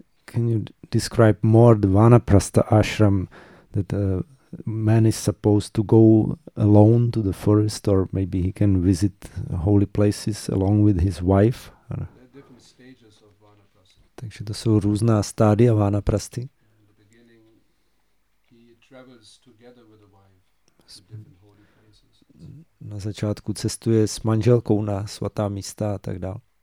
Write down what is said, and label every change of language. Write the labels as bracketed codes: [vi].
[en] Can you describe more the Vanaprastha ashram that a man is supposed to go alone to the forest, or maybe he can visit holy places along with his wife? There are different stages of Vanaprastha. [cs] Takže to jsou různá stádia Vanaprasty. [en] In the beginning, he travels together with the wife to different holy places. [cs] Na začátku cestuje s manželkou na svatá místa a tak dále.